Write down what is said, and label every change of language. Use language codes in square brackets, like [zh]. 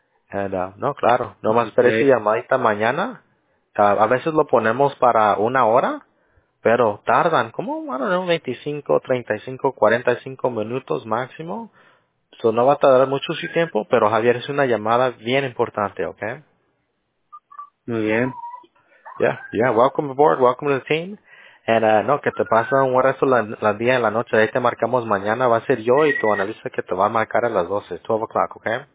[es] And, no, claro. No más esperes okay. Esa llamadita mañana. A veces lo ponemos para una hora, pero tardan como, bueno, 25, 35, 45 minutos máximo. Eso no va a tardar mucho su tiempo, pero Javier, es una llamada bien importante, ¿ok? Muy bien. [en] Yeah, yeah, welcome aboard, welcome to the team. [es] And, no, que te pasen un buen resto la día y la noche. Ahí te marcamos mañana, va a ser yo y tu analista que te va a marcar a las 12, 12 o'clock, ¿ok?